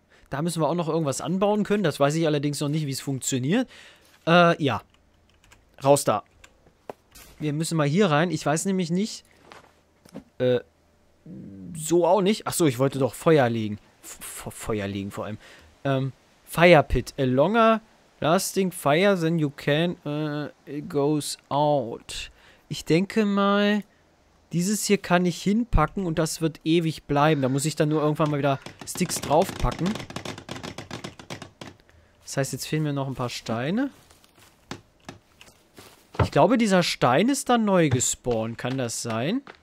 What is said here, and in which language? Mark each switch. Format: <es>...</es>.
<de>Da müssen wir auch noch irgendwas anbauen können. Das weiß ich allerdings noch nicht, wie es funktioniert. Ja. Raus da. Wir müssen mal hier rein. Ich weiß nämlich nicht. So auch nicht. Achso, ich wollte doch Feuer legen. Feuer legen vor allem. Fire Pit.</de> <en>A longer lasting fire than you can. It goes out.</en> <de>Ich denke mal, dieses hier kann ich hinpacken und das wird ewig bleiben. Da muss ich dann nur irgendwann mal wieder Sticks draufpacken. Das heißt, jetzt fehlen mir noch ein paar Steine. Ich glaube, dieser Stein ist dann neu gespawnt. Kann das sein?</de>